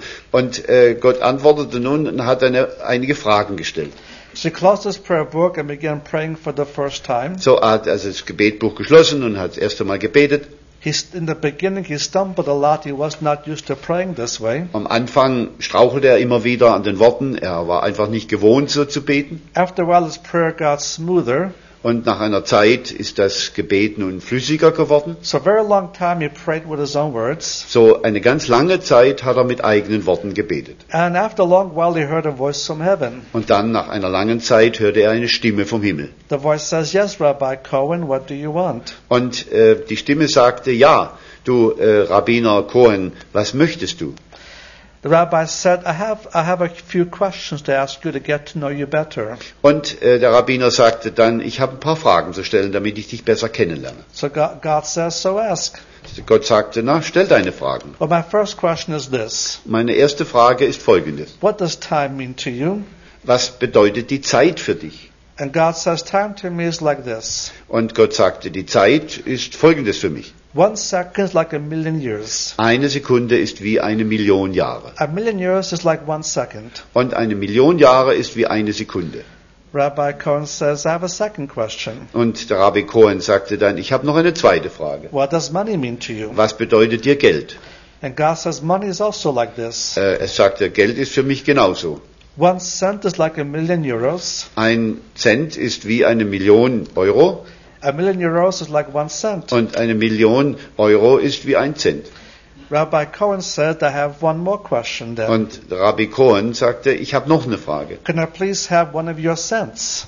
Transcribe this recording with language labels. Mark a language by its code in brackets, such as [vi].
[de] Und Gott antwortete nun und hat einige Fragen gestellt. [en] So he closed his prayer book and began praying for the first time. [de] So hat er das Gebetbuch geschlossen und hat das erste Mal gebetet. [en] In the beginning, he stumbled a lot. He was not used to praying this way. [de] Am Anfang strauchelte er immer wieder an den Worten. Er war einfach nicht gewohnt, so zu beten. [en] After a while, his prayer got smoother. [de] Und nach einer Zeit ist das Gebet nun flüssiger geworden. [en] So, very long time he prayed with his own words. [de] So eine ganz lange Zeit hat er mit eigenen Worten gebetet. [en] And after a long while he heard a voice from heaven. [de] Und dann nach einer langen Zeit hörte er eine Stimme vom Himmel. [en] The voice says, yes, Rabbi Cohen, what do you want? [de] Und die Stimme sagte, ja, du Rabbiner Cohen, was möchtest du? [en] The rabbi said, I have a few questions to ask you to get to know you better. [de] Und der Rabbiner sagte dann, ich habe ein paar Fragen zu stellen, damit ich dich besser kennenlerne. [en] So God says, so ask. [de] Gott sagte, na, stell deine Fragen. [en] Well, my first question is this. [de] Meine erste Frage ist folgende. [en] What does time mean to you? [de] Was bedeutet die Zeit für dich? [en] And God says, time to me is like this. [de] Und Gott sagte, die Zeit ist folgendes für mich. [en] 1 second is like a million years. [de] Eine Sekunde ist wie eine Million Jahre. [en] A million years is like 1 second. [de] Und eine Million Jahre ist wie eine Sekunde. [en] Rabbi Cohen says, I have a second question. [de] Und der Rabbi Cohen sagte dann, ich habe noch eine zweite Frage. [en] What does money mean to you? [de] Was bedeutet dir Geld? [en] And God says, money is also like this. [de] Er sagte, Geld ist für mich genauso. [en] 1 cent is like a million euros. [de] Ein Cent ist wie eine Million Euro. [en] A million euros is like 1 cent. [de] Und eine Million Euro ist wie ein Cent. [en] Rabbi Cohen said, I have one more question then. [de] Und Rabbi Cohen sagte, ich habe noch eine Frage. [en] Can I please have one of your cents?